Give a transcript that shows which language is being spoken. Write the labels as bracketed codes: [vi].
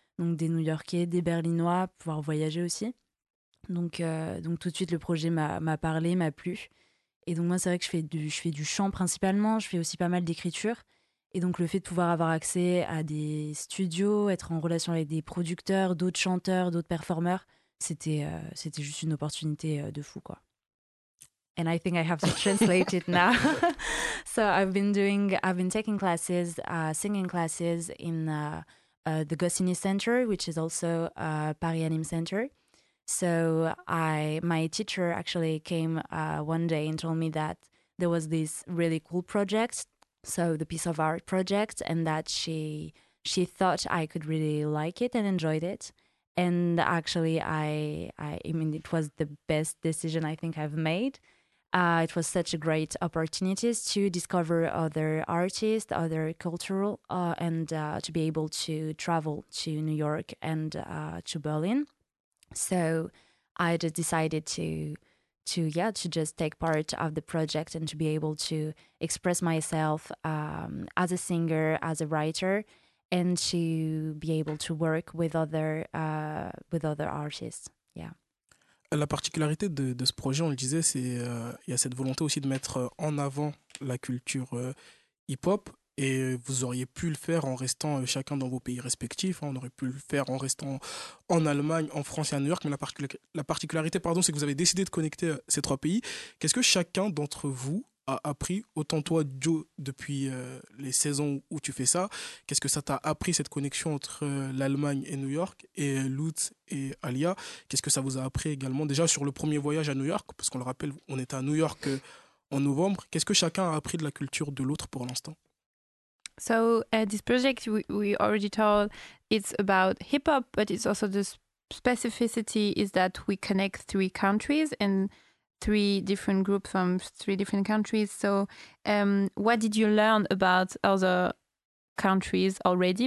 [fr] Donc des New-Yorkais, des Berlinois, pouvoir voyager aussi. Donc tout de suite, le projet m'a parlé, m'a plu. Et donc moi, c'est vrai que je fais du chant principalement, je fais aussi pas mal d'écriture. Et donc le fait de pouvoir avoir accès à des studios, être en relation avec des producteurs, d'autres chanteurs, d'autres performeurs, c'était juste une opportunité de fou, quoi. [en] And I think I have to translate it now. So I've been taking classes, singing classes in the Goscinny Center, which is also a Paris Anime Center. So my teacher actually came one day and told me that there was this really cool project, so the Piece of Art project, and that she thought I could really like it and enjoyed it. And actually, I mean, it was the best decision I think I've made. It was such a great opportunity to discover other artists, other cultural, and to be able to travel to New York and to Berlin. So I just decided to just take part of the project and to be able to express myself as a singer, as a writer, and to be able to work with other artists. Yeah. [fr] La particularité de ce projet, on le disait, c'est il y a cette volonté aussi de mettre en avant la culture hip-hop. Et vous auriez pu le faire en restant chacun dans vos pays respectifs. On aurait pu le faire en restant en Allemagne, en France et à New York. Mais la particularité, c'est que vous avez décidé de connecter ces trois pays. Qu'est-ce que chacun d'entre vous a appris? Autant toi, Joe, depuis les saisons où tu fais ça. Qu'est-ce que ça t'a appris, cette connexion entre l'Allemagne et New York? Et Lutz et Alia, qu'est-ce que ça vous a appris également? Déjà sur le premier voyage à New York, parce qu'on le rappelle, on était à New York en novembre. Qu'est-ce que chacun a appris de la culture de l'autre pour l'instant? [en] So this project, we already told, it's about hip-hop, but it's also the specificity is that we connect three countries and three different groups from three different countries. So what did you learn about other countries already?